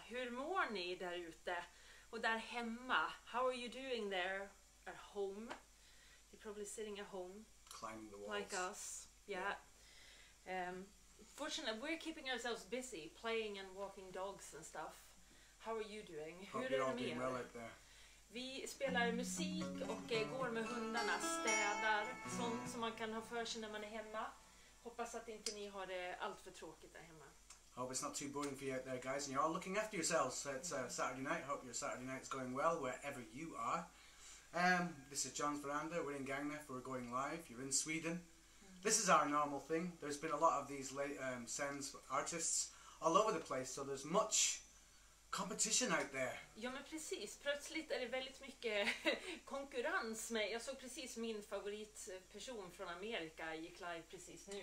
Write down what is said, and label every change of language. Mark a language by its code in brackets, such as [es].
[sv] Hur mår ni där ute och där hemma? [en] How are you doing there at home? You're probably sitting at home. Climbing the walls. Like us, yeah. Fortunately, we're keeping ourselves busy playing and walking dogs and stuff. How are you doing? [sv] Hur är det med [en] well out there. [sv] Vi spelar musik och går med hundarna, städar, sånt som man kan ha för sig när man är hemma. Hoppas att inte ni har det allt för tråkigt där hemma. [en] Hope it's not too boring for you out there, guys, and you're all looking after yourselves. It's Saturday night. Hope your Saturday night's going well wherever you are. This is John's Veranda. We're in Gagnef. We're going live. You're in Sweden. This is our normal thing. There's been a lot of these sends artists all over the place, so there's much competition out there. [sv] Ja, men precis. Plötsligt är det väldigt mycket konkurrens med. Jag såg precis min favoritperson från Amerika gick live precis nu.